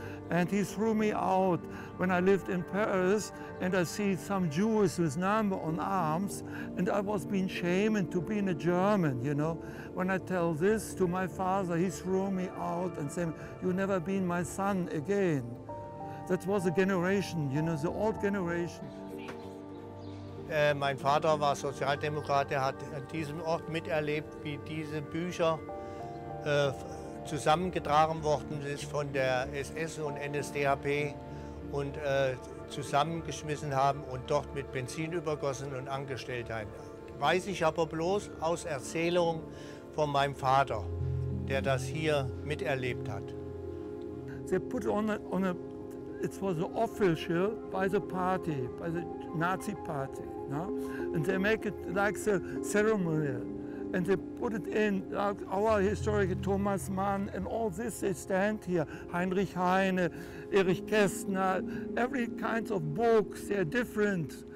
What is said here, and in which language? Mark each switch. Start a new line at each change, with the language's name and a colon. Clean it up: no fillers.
English: And he threw me out when I lived in Paris and I see some Jews with number on arms and I was being shamed to being a German, you know. When I tell this to my father, he threw me out and said, you never been my son again. That was a generation, you know, the old generation.
German: Mein Vater war Sozialdemokrat, er hat an diesem Ort miterlebt, wie diese Bücher zusammengetragen worden sind von der SS und NSDAP und zusammengeschmissen haben und dort mit Benzin übergossen und angestellt haben. Weiß ich aber bloß aus Erzählungen von meinem Vater, der das hier miterlebt hat.
English: They put on a it was the official by the party, by the Nazi party, no? And they make it like the ceremony. And they put it in, like our historian Thomas Mann and all this, they stand here, Heinrich Heine, Erich Kästner, every kind of books, they're different.